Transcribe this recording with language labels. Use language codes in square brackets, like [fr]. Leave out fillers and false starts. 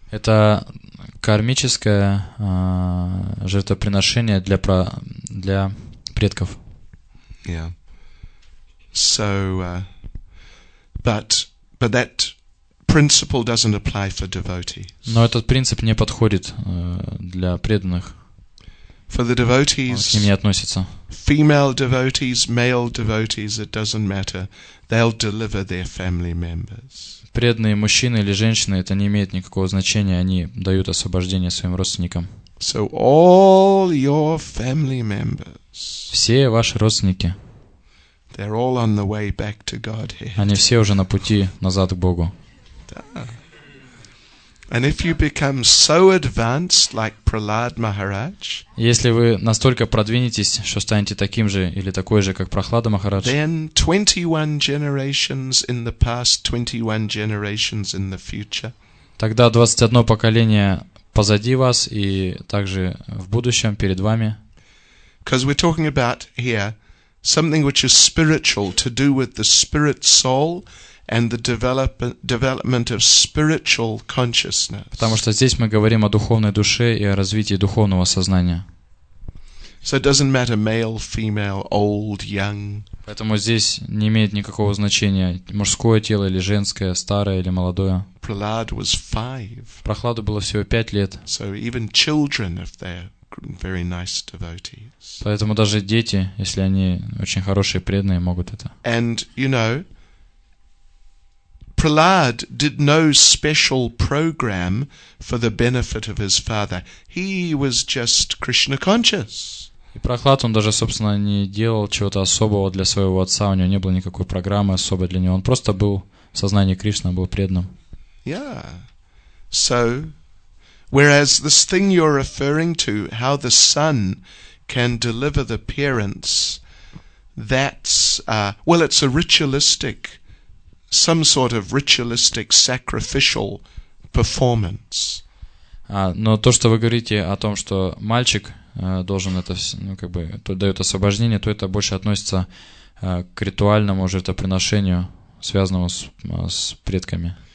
[ru] Это кармическое жертвоприношение для предков. [en] Yeah. So but that principle doesn't apply for devotees. [ru] Но этот принцип не подходит для преданных. [en] For the devotees. [ru] Он к ним не относится. [en] Female devotees, male devotees, it doesn't matter. They'll deliver their family members. [ru] Преданные мужчины или женщины, это не имеет никакого значения, они дают освобождение своим родственникам. [en] So all your family members. [ru] Все ваши родственники. [en] They're all on the way back to Godhead. [ru] Они все уже на пути назад к Богу. [en] And if you become so advanced like Prahlad Maharaj, [ru] если вы настолько продвинетесь, что станете таким же или такой же, как Прахлада Махарадж, [en] then 21 generations in the past, 21 generations in the future. [ru] Тогда 21 поколение позади вас и также в будущем перед вами. [en] Because we're talking about here something which is spiritual, to do with the spirit soul and the development of spiritual consciousness. [ru] Потому что здесь мы говорим о духовной душе и о развитии духовного сознания. [en] So it doesn't matter male, female, old, young. [ru] Поэтому здесь не имеет никакого значения мужское тело или женское, старое или молодое. [en] Prahlad was 5. [ru] Прохладу было всего 5 лет. [en] So even children, if they're very nice devotees. [ru] Поэтому даже дети, если они очень хорошие преданные, могут это. [en] And you know, Prahlad did no special program for the benefit of his father. He was just Krishna conscious. [ru] И Прохлад, он даже, собственно, не делал чего-то особого для своего отца. У него не было никакой программы особой для него. Он просто был в сознании Кришны, был преданным. [en] Yeah. So. Whereas this thing you're referring to, how the son can deliver the parents, that's well, it's a ritualistic, some sort of ritualistic sacrificial performance. [ru] Но то, что вы говорите о том, что мальчик должен это, ну как бы, то дает освобождение, то это больше относится к ритуальному жертвоприношению, связанному с предками.